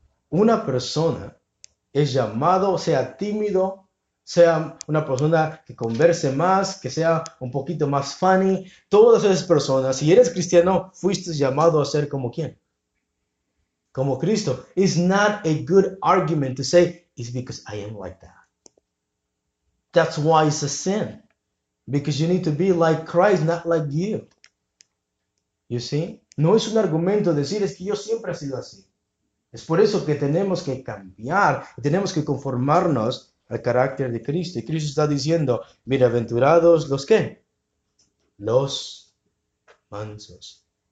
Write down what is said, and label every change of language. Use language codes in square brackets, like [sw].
[es] Una persona es llamado, sea tímido, sea una persona que converse más, que sea un poquito más funny, todas esas personas, si eres cristiano, fuiste llamado a ser como quién. Como Cristo. [en] It's not a good argument to say, it's because I am like that. That's why it's a sin. Because you need to be like Christ, not like you. You see? [es] No es un argumento decir, es que yo siempre he sido así. Es por eso que tenemos que cambiar, tenemos que conformarnos al carácter de Cristo. Y Cristo está diciendo, bienaventurados los ¿qué? Los mansos.